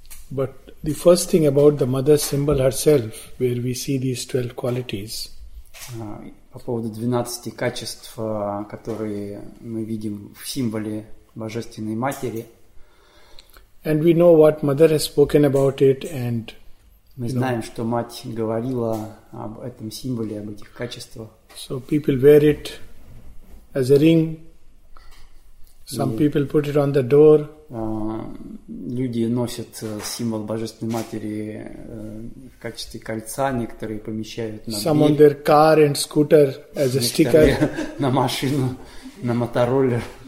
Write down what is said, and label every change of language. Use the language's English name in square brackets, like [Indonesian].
[English] But the first thing about the mother symbol herself, where we see these 12 qualities. [Russian] По поводу 12 качеств, которые мы видим в символе Божественной Матери. [English] And we know what mother has spoken about it and... [Russian] Мы знаем, что мать говорила об этом символе, об этих качествах. [English] So people wear it as a ring. Some people put it on the door. [Russian] Люди носят символ Божественной Матери в качестве кольца, некоторые помещают на [English] some on their car and scooter as a sticker. [Russian] На машину, на мотороллер.